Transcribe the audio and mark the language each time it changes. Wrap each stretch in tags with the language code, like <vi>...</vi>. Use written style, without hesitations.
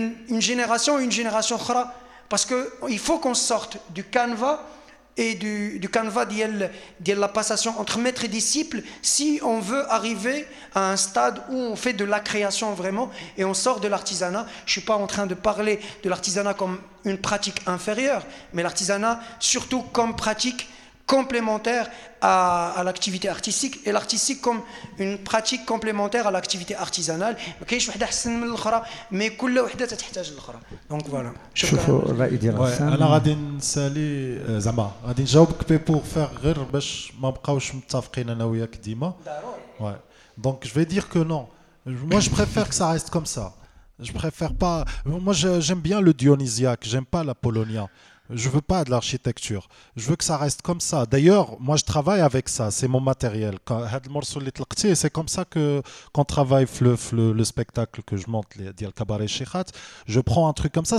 <fr>une génération et une génération</fr> <ar>اخرى</ar> <fr>parce que il faut qu'on sorte du canevas et du canevas de la passation entre maître et disciple si on veut arriver à un stade où on fait de la création vraiment et on sort de l'artisanat. Je suis pas en train de parler de l'artisanat comme une pratique inférieure mais l'artisanat surtout comme pratique complémentaire à l'activité artistique et l'artistique comme une pratique complémentaire à l'activité artisanale. OK, je veux dire une autre mais</fr> <ar>كل وحده تحتاج الاخرى.</ar> <fr>Donc voilà.</fr> <ar>شوفوا الراي ديال حسام. انا غادي نسالي زعما غادي نجاوبك</ar> <fr>بور فير</fr> <ar>غير باش ما بقاوش متفقين انا وياك ديما. ضروري.</ar> <fr>Ouais. Donc je vais dire que non. Moi je préfère que ça reste comme ça. Je préfère pas moi j'aime bien le dionysiaque, j'aime pas la polonia. Je veux pas de l'architecture. Je veux que ça reste comme ça. D'ailleurs, moi, je travaille avec ça. C'est mon matériel. C'est comme ça qu'on travaille le spectacle que je monte, le cabaret Chechat. Je prends un truc comme ça.</fr>